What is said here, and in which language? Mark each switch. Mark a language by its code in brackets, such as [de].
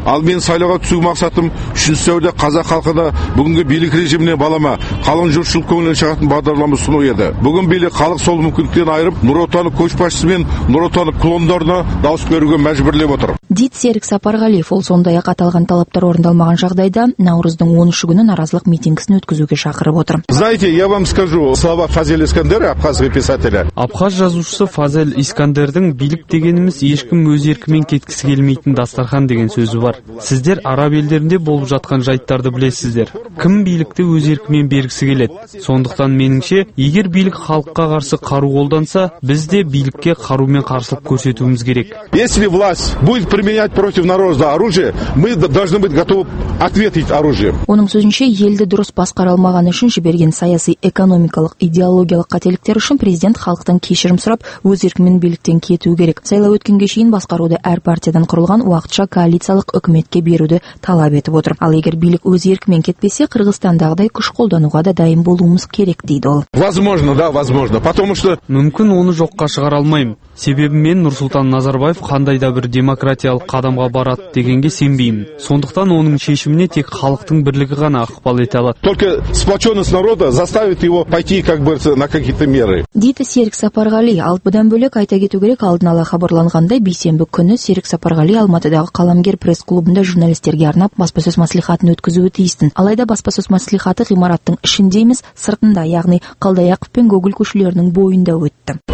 [kk] Ал мен сайлауға түсу мақсатым 3 сәуірде қазақ халқына бүгінгі билік режиміне балама, қалың жұртшылық көңілінен шығатын бағдарлама ұсыну еді. Бүгін билік халық сол мүмкіндіктен айырып, Нұр Отанның көшбасшысы мен Нұр Отанның клондарына дауыс беруге мәжбүрлеп отыр. Серік Сапарғалиев ол сондай-ақ аталған талаптар орындалмаған жағдайда наурыздың 13 күні наразылық митингісін өткізуге шақырып отыр. [ru] Знаете, я вам скажу, слова Фазель Искандера, абхазский писателя. [kk] Абхаз жазушысы Фазель Искандердің билік дегеніміз ешкім өз еркімен кеткісі келмейтін дастархан деген сөзі бар. Сіздер араб елдерінде болып жатқан жайттарды білесіздер. Кім билікті өз еркімен бергісі келеді? Сондықтан меніңше, егер билік халыққа қарсы қару қолданса, біз де билікке қарумен қарсылық көрсетуіміз керек. [ru] Если власть будет применять против народа оружие, мы должны быть готовы ответить оружием. [kk] Оның сөзінше елді дұрыс басқара алмаған үшін жіберген саяси, экономикалық, идеологиялық қателіктер үшін президент халықтан кешірім сұрап, өз еркімен биліктен кетуі керек. Сайлау өткенге шейін басқаруды әр партиядан құрылған уақытша коалициялық үкіметке беруді талап етіп отыр. Ал егер билік өз еркімен кетпесе, Қырғызстандағыдай күш қолдануға да дайын болуымыз керек, дейді ол. [ru] Возможно, да, возможно, потому что [kk] мүмкін оны жоққа шығара алмаймын. Себебі мен Нұрсұлтан Назарбаев қандай да бір демократиялық қадамға барады дегенге сенбеймін. Сондықтан оның шешіміне тек халықтың бірлігі ғана ықпал ете алады. [ru] Только сплоченность народа заставит его пойти как бы на какие-то меры. [kk] Дейді Серік Сапарғали. Ал бұдан бөлек айта кету керек, алдын ала хабарланғандай бейсенбі күні Серік Сапарғали Алматыдағы қаламгер пресс-клубында журналистерге арнап баспасөз мәслихатын өткізуі тиістін. Алайда баспасөз мәслихаты ғимараттың ішінде емес, сыртында, яғни Қалдаяқов пен Гоголь көшелерінің бойында өтті.